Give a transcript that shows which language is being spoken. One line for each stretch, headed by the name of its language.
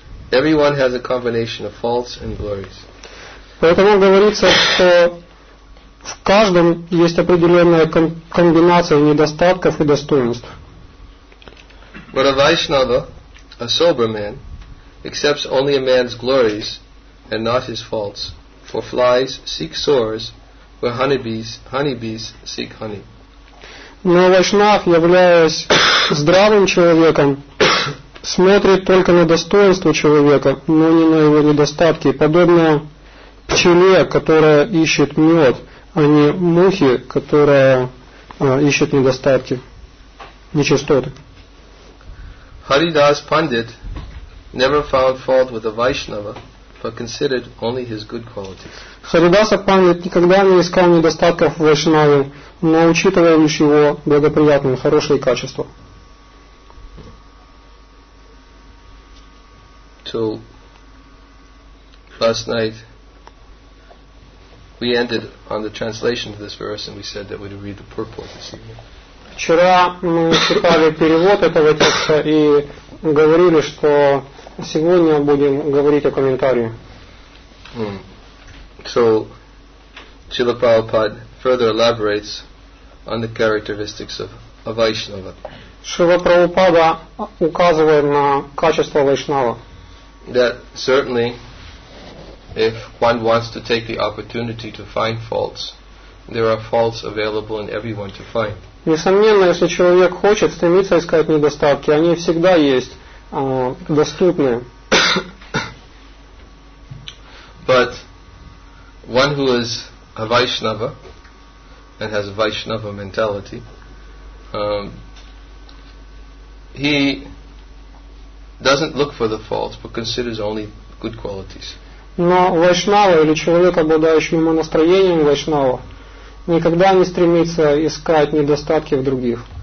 English: Everyone has a combination of faults and glories.
Russian: Поэтому говорится, что в каждом есть определенная комбинация недостатков и достоинств.
English: But a Vaishnava, a sober man, accepts only a man's glories and not his faults. For flies seek sores, where honeybees seek honey.
Russian: Но Вайшнав, являясь здравым человеком, смотрит только на достоинства человека, но не на его недостатки. Подобно пчеле, которая ищет мед, а не мухи, которая ищет недостатки, нечистоты.
English: Haridas Pandit never found fault with a Vaishnava, but considered only his good qualities.
Russian: Haridasa Pandit никогда не искал недостатков в Вайшнаве, но учитывал лишь его благоприятные, хорошие качества.
English: So, last night we ended on the translation of this verse and we said that we'd read the purport this evening.
Russian: Вчера мы читали перевод этого текста и говорили, что сегодня будем говорить о комментарии.
English: So, Srila Prabhupada further elaborates on the characteristics of a Vaishnava.
Russian: Srila Prabhupada указывает на качество Вайшнава.
English: That certainly if one wants to take the opportunity to find faults, there are faults available in everyone to find.
Russian: Несомненно, если человек хочет стремиться искать недостатки, они всегда есть доступны.
English: But one who is a Vaishnava and has a Vaishnava mentality, he doesn't look for the faults but considers only good qualities.
Russian: Но вайшнава или человек, обладающий ему настроением вайшнава, никогда не стремится искать недостатки в других.